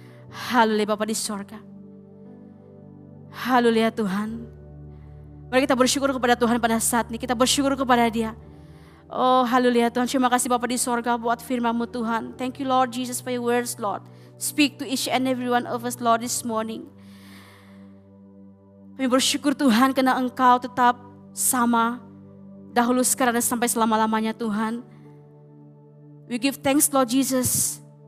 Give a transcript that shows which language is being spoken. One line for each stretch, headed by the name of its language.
Malay: Hallelujah, Bapa di sorga. Hallelujah, Tuhan. Mari kita bersyukur kepada Tuhan pada saat ini. Kita bersyukur kepada Dia. Oh, haleluya Tuhan. Terima kasih Bapa di sorga buat firman-Mu Tuhan.
English: Thank you Lord Jesus for Your words, Lord. Speak to each and every one of us, Lord, this morning.
Malay: Kami bersyukur Tuhan karena Engkau tetap sama dahulu, sekarang, dan sampai selama-lamanya Tuhan.
English: We give thanks, Lord Jesus.